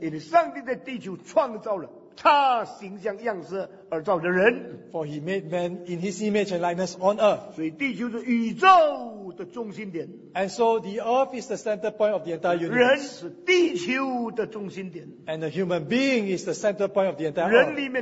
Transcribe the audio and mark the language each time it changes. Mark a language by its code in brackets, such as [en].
[en] It is [zh] 上帝在地球创造了他形象样式而造的人, [en] for he made man in his image and likeness on earth. [zh] 所以地球是宇宙的中心点, [en] and so the earth is the center point of the entire universe. [zh] 人是地球的中心点, [en] and the human being is the center point of the entire earth.